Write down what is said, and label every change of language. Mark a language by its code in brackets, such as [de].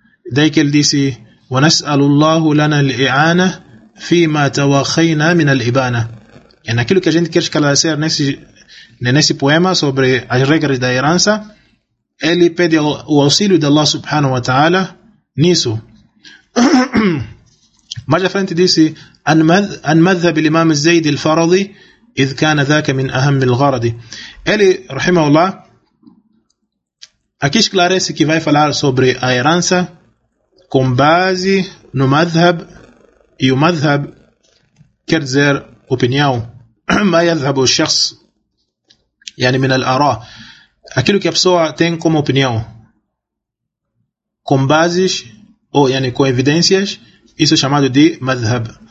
[pt] Daí que ele disse: [ar] وَنَسْأَلُ اللَّهُ لَنَا الْإِعَانَ فِيمَا تَوَخَيْنَا مِنَ الْإِبَانَ. [pt] É naquilo que a gente quer esclarecer nesse poema sobre as regras da herança. Ele pede o auxílio de Allah subhanahu wa ta'ala nisso. Mais à frente disse: [ar] عن مذهب الإمام الزيد الفارضي إذ كان ذاك من أهم الغرض. [pt] Ele, رحمه الله, aqui esclarece que vai falar sobre a herança com base no madhab, e o madhab quer dizer opinião. [ar] ما يذهب الشخص من الآراء, [pt] aquilo que a pessoa tem como opinião, com bases ou com evidências, isso é chamado de madhab.